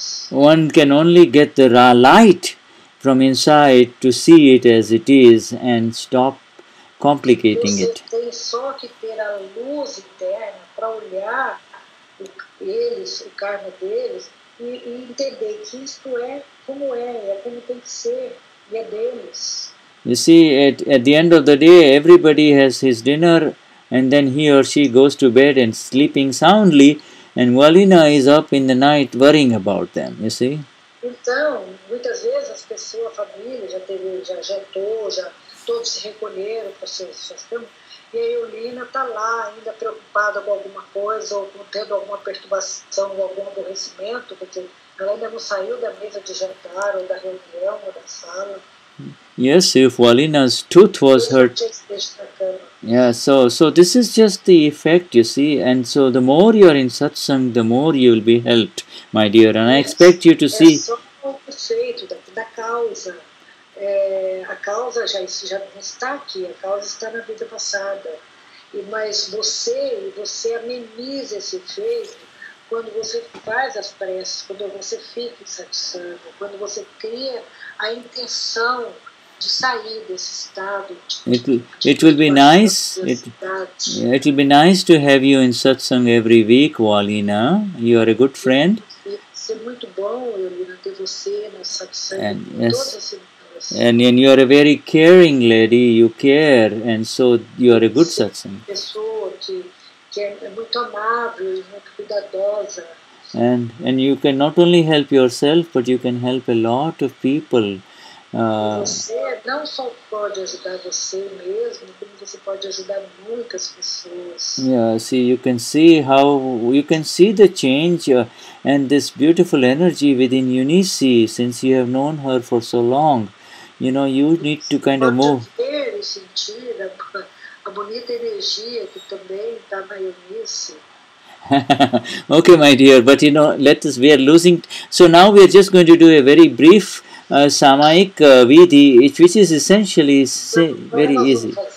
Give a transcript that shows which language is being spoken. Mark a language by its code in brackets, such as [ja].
[en] One can only get the raw light from inside to see it as it is and stop complicating it. [pt] Você tem só que ter a luz interna para olhar o karma deles e entender que isto é como tem que ser e é deles. [en] You see, at the end of the day, everybody has his dinner and then he or she goes to bed and sleeping soundly, and Valina is up in the night worrying about them, you see. [pt] Então, muitas vezes as pessoas, a família já teve, já jantou, já todos se recolheram para suas camas, e aí Valina está lá ainda preocupada com alguma coisa ou tendo alguma perturbação ou algum aborrecimento, porque ela ainda não saiu da mesa de jantar ou da reunião ou da sala. [en] Yes, if Valina's tooth was hurt. Yeah, so this is just the effect, you see. And so the more you are in satsang, the more you will be helped, my dear. And I expect you to see... [pt] É só o conceito da causa. A causa já não está aqui. A causa está na vida passada. Mas você ameniza esse efeito quando você faz as preces, quando você fica em satsang, quando você cria a intenção de sair desse estado. [en] It will be nice to have you in satsang every week, Valina. You are a good friend. [pt] É muito bom, Valina, ter você no satsang. [en] Yes. And you are a very caring lady. You care, and so you are a good satsang. [pt] Pessoa que é muito amável, muito cuidadosa. [en] And you can not only help yourself, but you can help a lot of people. [pt] Você não só pode ajudar você mesmo, como você pode ajudar muitas pessoas. [en] Yeah, see, you can see how you can see the change and this beautiful energy within Eunice since you have known her for so long. You know, you need to kind of move. [pt] Pode ver e sentir a bonita energia que também está na Eunice. [en] Okay, my dear, but you know, let us, we are losing. So now we are just going to do a very brief samayik vidhi, which is essentially very easy.